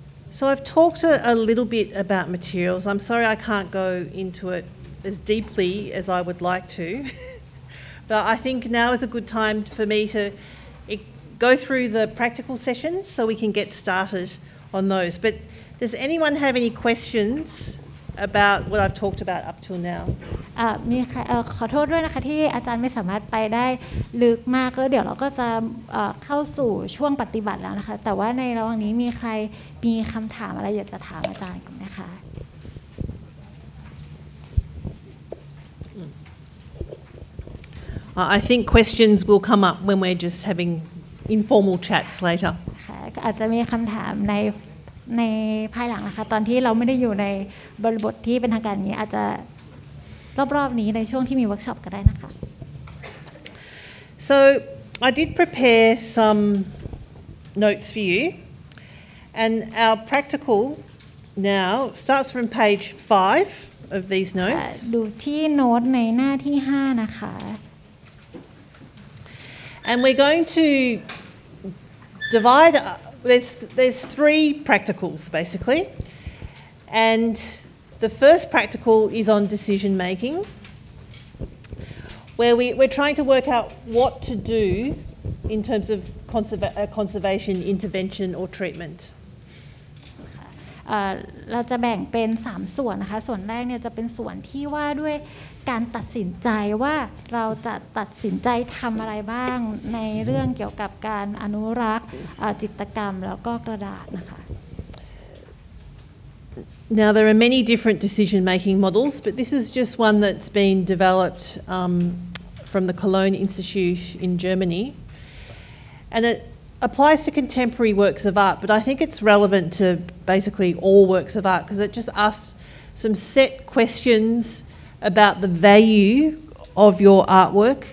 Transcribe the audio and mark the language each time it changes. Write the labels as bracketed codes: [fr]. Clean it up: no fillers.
[en] So I've talked a little bit about materials. I'm sorry I can't go into it as deeply as I would like to, but I think now is a good time for me to go through the practical sessions so we can get started on those. But does anyone have any questions about what I've talked about up till now? [th] มีขอโทษด้วยนะคะที่อาจารย์ไม่สามารถไปได้ลึกมากแล้วเดี๋ยวเราก็จะเข้าสู่ช่วงปฏิบัติแล้วนะคะแต่ว่าในระหว่างนี้มีใครมีคำถามอะไรอยากจะถามอาจารย์กันไหมคะ [en] I think questions will come up when we're just having informal chats later. [th] ค่ะอาจจะมีคำถามในภายหลังนะคะตอนที่เราไม่ได้อยู่ในบริบทที่เป็นทางการนี้อาจจะรอบๆนี้ในช่วงที่มีเวิร์กช็อปก็ได้นะคะ [en] So I did prepare some notes for you and our practical now starts from page 5 of these notes [th] ดูที่โน้ตในหน้าที่5นะคะ [en] And we're going to divide. There's three practicals basically, and the first practical is on decision making, where we're trying to work out what to do in terms of conservation intervention or treatment. [th] เราจะแบ่งเป็น3ส่วนนะคะส่วนแรกเนี่ยจะเป็นส่วนที่ว่าด้วยการตัดสินใจว่าเราจะตัดสินใจทำอะไรบ้างในเรื่องเกี่ยวกับการอนุรักษ์จิตรกรรมแล้วก็กระดาษนะคะ [en] Now there are many different decision making models but this is just one that's been developed from the Cologne Institute in Germany and itapplies to contemporary works of art, but I think it's relevant to basically all works of art because it just asks some set questions about the value of your artwork.